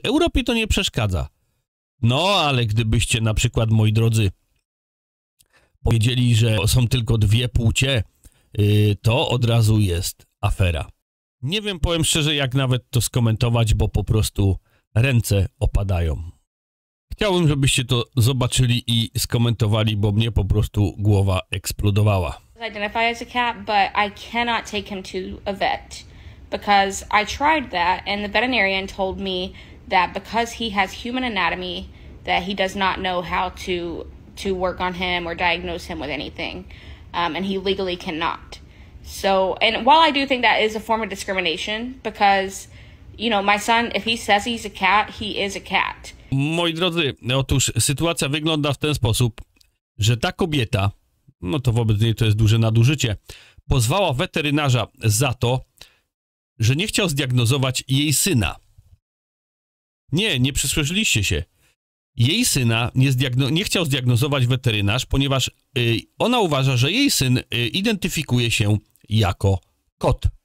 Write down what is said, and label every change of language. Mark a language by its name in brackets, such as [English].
[Polish] Europie to nie przeszkadza. No, ale gdybyście na przykład, moi drodzy, powiedzieli, że są tylko dwie płcie, to od razu jest afera. Nie wiem, powiem szczerze, jak nawet to skomentować, bo po prostu ręce opadają. Chciałbym, żebyście to zobaczyli i skomentowali, bo mnie po prostu głowa eksplodowała. [English] Identify as a cat, but I cannot take him to a vet. Because I tried that, and the veterinarian told me that because he has human anatomy, that he does not know how to work on him or diagnose him with anything, and he legally cannot. So, and while I do think that is a form of discrimination, because, you know, my son, if he says he's a cat, he is a cat. [Polish] Moi drodzy, otóż sytuacja wygląda w ten sposób, że ta kobieta, no to wobec niej to jest duże nadużycie, pozwała weterynarza za to, że nie chciał zdiagnozować jej syna. Nie, nie przysłyszeliście się. Jej syna nie chciał zdiagnozować weterynarz, ponieważ ona uważa, że jej syn identyfikuje się jako kot.